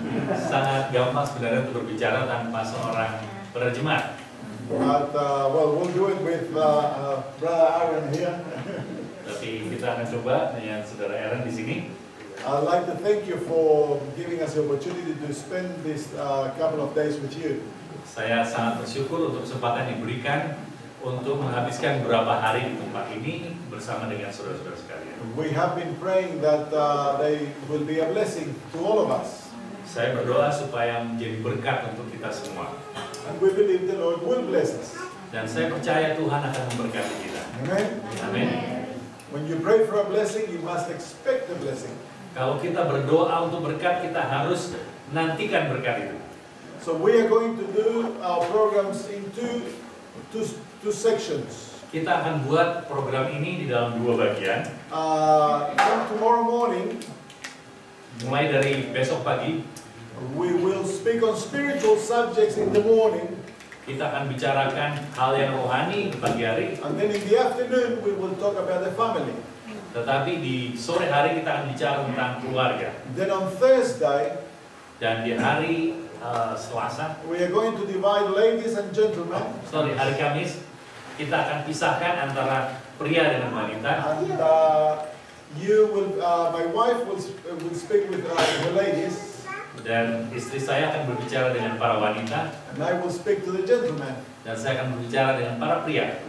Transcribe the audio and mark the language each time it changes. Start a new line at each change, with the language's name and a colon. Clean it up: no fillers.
Indonesian: Sangat gampang sebenarnya untuk berbicara tanpa seorang penerjemah.
English: But well, we'll do it with Brother Aaron here.
Indonesian: Tapi kita akan coba dengan Saudara Aaron di sini.
English: I'd like to thank you for giving us the opportunity to spend this couple of days with you.
Indonesian: Saya sangat bersyukur untuk kesempatan diberikan untuk menghabiskan beberapa hari di tempat ini bersama dengan saudara-saudara sekalian.
English: We have been praying that they will be a blessing to all of us.
Indonesian: Saya berdoa supaya menjadi berkat untuk kita semua.
English: And we believe the Lord will bless us.
Indonesian: Dan saya percaya Tuhan akan memberkati kita. Amen. Amen.
English: When you pray for a blessing, you must expect the blessing.
Indonesian: Kalau kita berdoa untuk berkat, kita harus nantikan berkat itu.
English: So we are going to do our programs in two sections.
Indonesian: Kita akan buat program ini di dalam dua bagian.
English: Tomorrow morning,
Indonesian: mulai dari besok pagi,
English: we will speak on spiritual subjects in the morning.
Indonesian: Kita akan bicarakan hal yang rohani pagi hari.
English: And then in the afternoon, we will talk about the family.
Indonesian: Tetapi di sore hari kita akan bicara tentang keluarga.
English: Then on Thursday,
Indonesian: dan di hari Selasa,
English: we are going to divide ladies and gentlemen.
Indonesian: Sorry, hari Kamis kita akan pisahkan antara pria dan wanita.
English: And you will, my wife will speak with the ladies.
Indonesian: Dan istri saya akan berbicara dengan para wanita.
English: And I will speak to the gentlemen.
Indonesian: Dan saya akan berbicara dengan para pria.